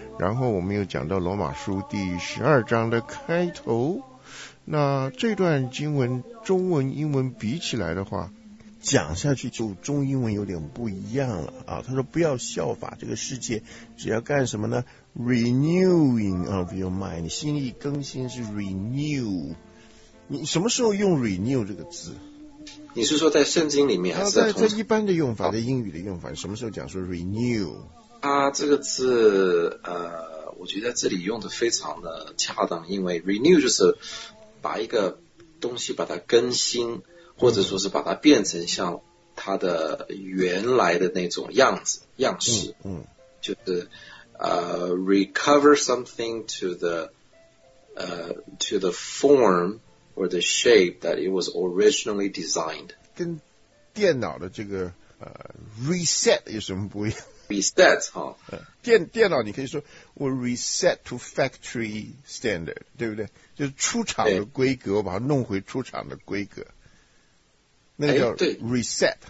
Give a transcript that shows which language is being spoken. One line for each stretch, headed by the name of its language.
Chinese: 然后我们又讲到罗马书第十二章的开头，那这段经文中文英文比起来的话，讲下去就中英文有点不一样了啊。他说不要效法这个世界，只要干什么呢？
English: renewing of your mind，
Chinese: 心意更新是
English: renew。
Chinese: 你什么时候用 renew 这个字？你是说在圣经里面还是在一般的用法，在英语的用法，什么时候讲说 renew？啊，这个字我觉得这里用的非常的恰当，因为 renew 就是把一个东西把它更新，或者说是把它变成像它的原来的那种样子样式。嗯，就是
English: recover something to the form or the shape that it was originally designed。
Chinese: 跟电脑的这个reset 有什么不一样？
English: reset 哈，
Chinese: 电脑你可以说我
English: reset to factory standard，
Chinese: 对不对？就是出厂的规格，我把它弄回出厂的规格，那叫 reset。